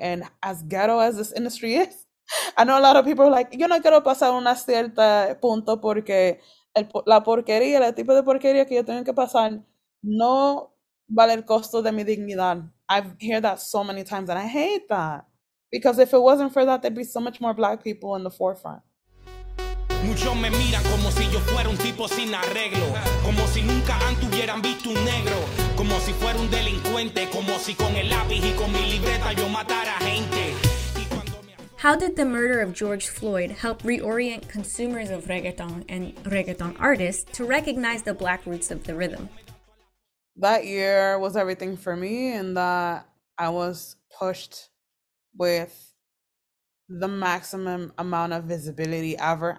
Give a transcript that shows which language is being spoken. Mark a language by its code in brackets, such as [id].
[en] And as ghetto as this industry is, I know a lot of people are like, [es] yo no quiero pasar una cierta punto porque la porquería, el tipo de porquería que yo tengo que pasar no vale el costo de mi dignidad. [en] I've heard that so many times and I hate that. Because if it wasn't for that, there'd be so much more black people in the forefront. [es] Muchos me miran como si yo fuera un tipo sin arreglo, como si nunca antes hubieran visto un negro, como si fuera un delincuente, como si con el lápiz y con mi libreta yo matara gente. [en] How did the murder of George Floyd help reorient consumers of reggaeton and reggaeton artists to recognize the black roots of the rhythm? That year was everything for me, and that I was pushed with the maximum amount of visibility ever.